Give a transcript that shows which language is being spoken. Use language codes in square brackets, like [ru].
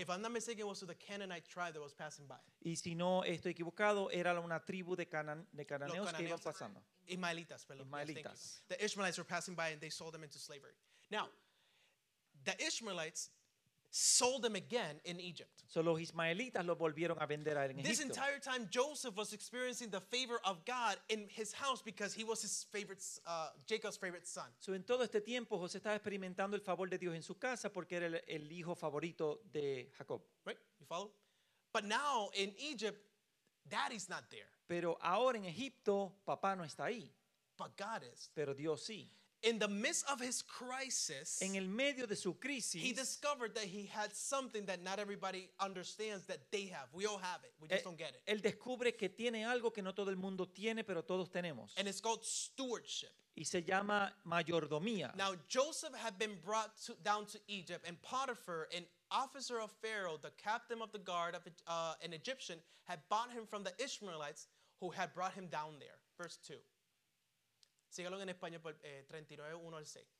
[en] If I'm not mistaken, it was to the Canaanite tribe that was passing by. [es] Y si no estoy equivocado, era una tribu de cananeos que iban pasando. Ismaelitas, perdón. Ismaelitas. [en] Yes, the Ishmaelites were passing by and they sold them into slavery. Now, the Ishmaelites sold them again in Egypt. [es] So los ismaelitas los volvieron a vender a él en Egipto. [en] This entire time, Joseph was experiencing the favor of God in his house because he was his favorite, Jacob's favorite son. [es] So en todo este tiempo, José estaba experimentando el favor de Dios en su casa porque era el hijo favorito de Jacob. [en] Right? You follow? But now in Egypt, daddy's not there. [es] Pero ahora en Egipto, papá no está ahí. [en] But God is. [es] Pero Dios sí. [en] In the midst of his crisis, [es] en el medio de su crisis, [en] he discovered that he had something that not everybody understands that they have. We all have it. We just don't get it. [es] Él descubre que tiene algo que no todo el mundo tiene, pero todos tenemos. [en] And it's called stewardship. [es] Y se llama mayordomía. [en] Now, Joseph had been brought down to Egypt, and Potiphar, an officer of Pharaoh, the captain of the guard of an Egyptian, had bought him from the Ishmaelites who had brought him down there. Verse 2. [es] Sígalo en español por 39:1-6.